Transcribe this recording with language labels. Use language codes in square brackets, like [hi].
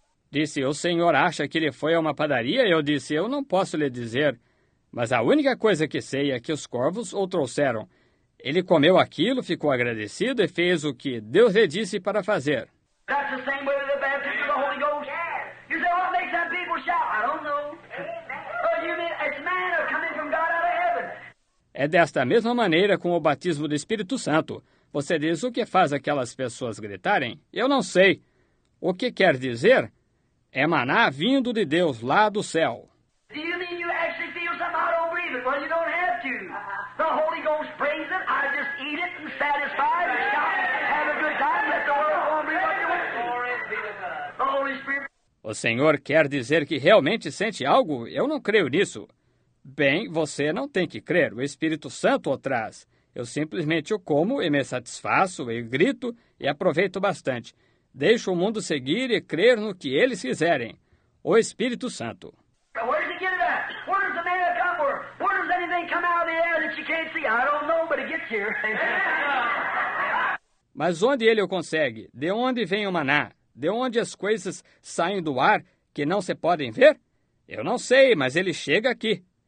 [pt] Disse, o senhor acha que ele foi a uma padaria? Eu disse, eu não posso lhe dizer. Mas a única coisa que sei é que os corvos o trouxeram. Ele comeu aquilo, ficou agradecido e fez o que Deus lhe disse para fazer. [en] That's the same way with the baptism of the Holy Ghost. You say, what makes that people shout? I don't know. But you mean, it's manna coming from God out of heaven. [pt] É desta mesma maneira com o batismo do Espírito Santo. Você diz, o que faz aquelas pessoas gritarem? Eu não sei. O que quer dizer? É maná vindo de Deus lá do céu. [en] Do you mean you actually feel something? I don't believe it. Well, you don't have to. The Holy Ghost brings it. I just eat it and satisfy it. Have a good time. Let the world go on believing what you want to. The Holy Spirit. [pt] O senhor quer dizer que realmente sente algo? Eu não creio nisso. Bem, você não tem que crer. O Espírito Santo o traz. Eu simplesmente o como e me satisfaço e grito e aproveito bastante. Deixo o mundo seguir e crer no que eles quiserem. O Espírito Santo. [en] Where does it get it at? Where does the manna come from? Where does anything come out of the air that you can't see? I don't know, but it gets here. [pt] Mas onde ele o consegue? De onde vem o maná? De onde as coisas saem do ar que não se podem ver? Eu não sei, mas ele chega aqui.